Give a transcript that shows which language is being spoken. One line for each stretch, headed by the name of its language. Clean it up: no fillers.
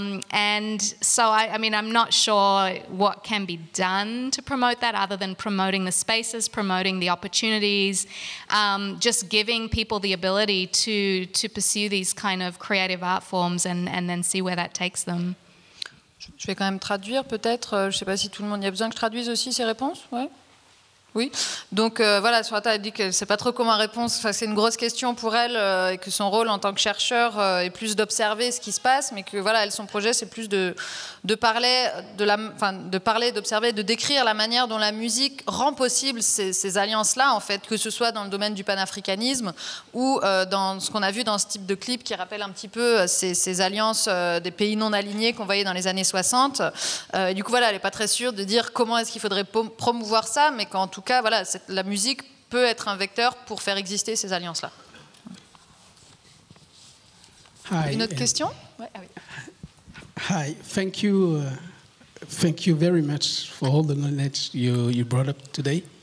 English: And so, I'm not sure what can be done to promote that other than promoting the spaces, promoting the opportunities, just giving people the ability to pursue these kind of creative art forms and then see where that takes them.
French: Je vais quand même traduire peut-être, je ne sais pas si tout le monde y a besoin que je traduise aussi ses réponses, ouais. Oui, donc voilà, Swata a dit qu'elle ne sait pas trop comment répondre. Enfin, c'est une grosse question pour elle et que son rôle en tant que chercheur est plus d'observer ce qui se passe, mais que voilà, elle, son projet, c'est plus de parler, d'observer, de décrire la manière dont la musique rend possible ces alliances-là, en fait, que ce soit dans le domaine du panafricanisme ou dans ce qu'on a vu dans ce type de clip qui rappelle un petit peu ces alliances des pays non alignés qu'on voyait dans les années 60. Et du coup, voilà, elle n'est pas très sûre de dire comment est-ce qu'il faudrait promouvoir ça, mais quand en tout cas, voilà, la musique peut être un vecteur pour faire exister ces alliances-là.
English: Hi,
French: une autre question?
English: Hi, thank you very much for all the knowledge you brought up today.